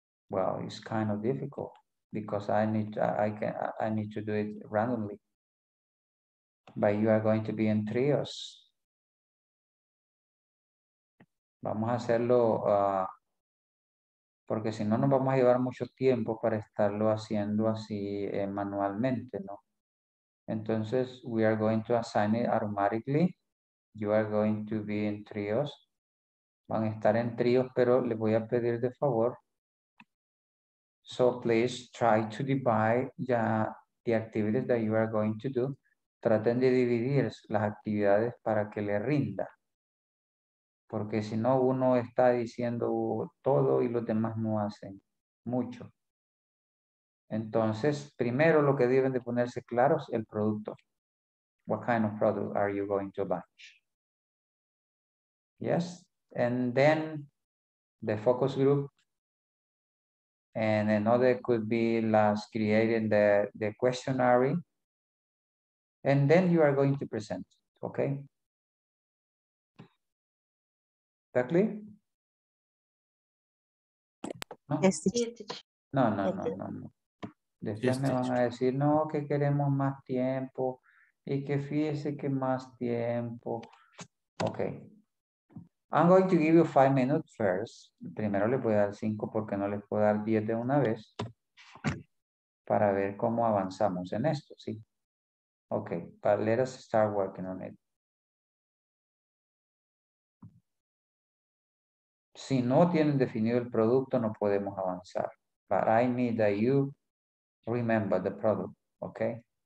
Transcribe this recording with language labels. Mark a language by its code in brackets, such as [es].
[en] Well, it's kind of difficult because I need to do it randomly. But you are going to be in trios. [es] Vamos a hacerlo porque si no nos vamos a llevar mucho tiempo para estarlo haciendo así manualmente, ¿no? [en] Entonces, we are going to assign it automatically. You are going to be in trios. [es] Van a estar en tríos, pero les voy a pedir de favor. [en] So please try to divide the activities that you are going to do. [es] Traten de dividir las actividades para que le rinda. Porque si no, uno está diciendo todo y los demás no hacen mucho. Entonces, primero lo que deben de ponerse claro es el producto. [en] What kind of product are you going to launch? Yes. And then the focus group. And another could be last creating the questionnaire. And then you are going to present. Okay. That clear? No? Yes, No. [es] Después me van a decir, no, que queremos más tiempo y que fíjese que más tiempo. Okay. [en] I'm going to give you 5 minutes first. [es] Primero les voy a dar 5 porque no les puedo dar 10 de una vez para ver cómo avanzamos en esto, ¿sí? [en] Okay, but let us start working on it. [es] Si no tienen definido el producto, no podemos avanzar. [en] But I need that you remember the product, okay?